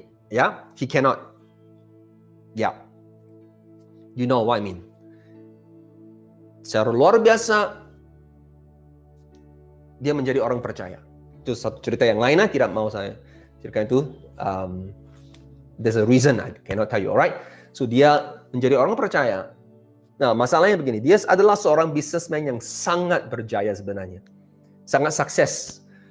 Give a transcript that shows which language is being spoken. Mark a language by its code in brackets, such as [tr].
[en] Ya, he cannot. Ya. Yeah. You know what I mean. [ms] Secara luar biasa, dia menjadi orang percaya. Itu satu cerita yang lain, tidak mau saya cerita itu. [en] There's a reason I cannot tell you, alright? [ms] So, dia menjadi orang percaya. Nah, masalahnya begini, dia adalah seorang businessman yang sangat berjaya sebenarnya. Sangat sukses.